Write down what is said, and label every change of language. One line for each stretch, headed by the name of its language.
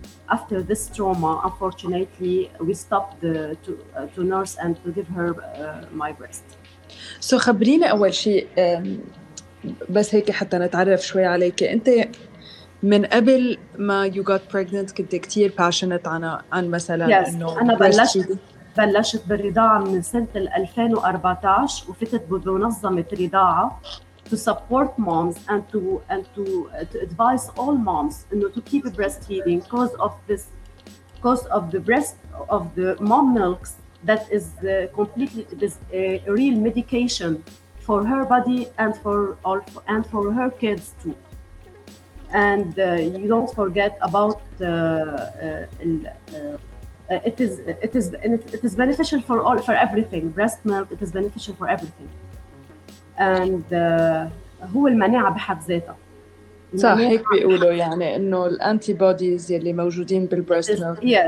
English: After this trauma, unfortunately, we stopped to nurse and to give her my breast.
Arabic: So, خبرينا أول شيء بس هيك حتى نتعرف شوي عليك. أنت من قبل ما
English: you got pregnant
Arabic: كنت كتير passionate عن مثلا
English: إنه. Yes.
Arabic: أنا بلشت بالرضاعة من سنة 2014 وفتت بمنظمة رضاعة
English: to support moms and to advise all moms to keep breastfeeding because of the mom milk that is completely a real medication for her body and for her kids too. And you don't forget about it is beneficial for everything. Breast milk, it is beneficial for everything.
Arabic: And هو المناعة بحد ذاتها. صح هيك بيقولوا يعني إنه الانتيبوديز يلي موجودين بالبريست ميلك.